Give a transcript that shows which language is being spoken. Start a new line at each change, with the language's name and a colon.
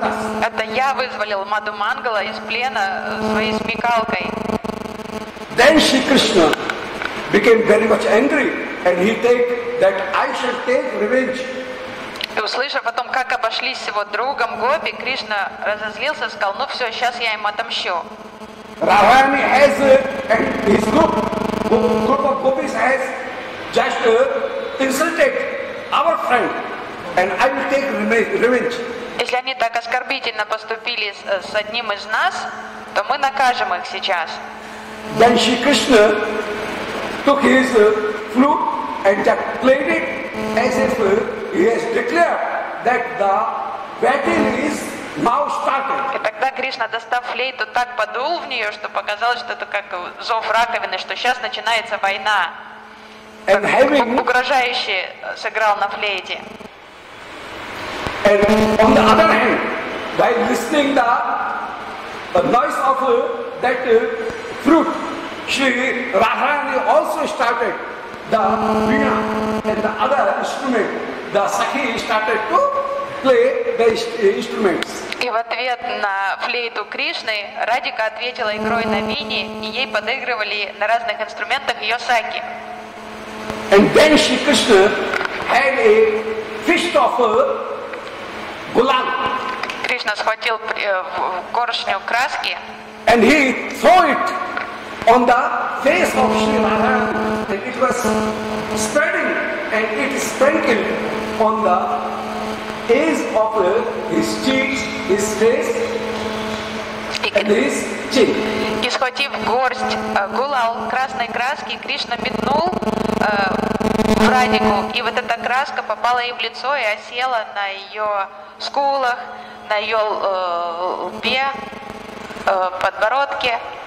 Russian: Это я вызволил Мадумангала из плена своей смекалкой.
English: Then Shri Krishna became very much angry, and he said that I shall take revenge.
Russian: И услышав о том, как обошлись с его другом гопи, Кришна разозлился, сказал: ну все, сейчас я им отомщу.
English: Рахани has his group, of gopis has just insulted our friend, and I will take revenge.
Russian: Если они так оскорбительно поступили с одним из нас, то мы накажем их сейчас.
English: Then Shri Krishna took his flute and just played it as if he has declared that the battle is now started.
Russian: И тогда Кришна, достав флейту, так подул в нее, что показалось, что это как зов раковины, что сейчас начинается война.
English: And having
Russian: угрожающе сыграл на флейте.
English: And on the other hand, by listening the noise of that fruit, Shri Radharani also started the veena and the other instrument. The Sakhi started to play the instruments.
Russian: И в ответ на флейту Кришны Радика ответила игрой на вине, и ей подыгрывали на разных инструментах ее сакхи.
English: And then Shri Krishna had a fist of a gulal.
Russian: Кришна схватил горшню краски.
English: And he threw it on the face of Shri Radha, and it was spreading and it sprinkled on the edge of his cheeks, his face, and his chin.
Russian: И схватив горсть гулал красной краски, Кришна метнул в Радику, и вот эта краска попала ей в лицо и осела на ее скулах, на ее лбе, подбородке.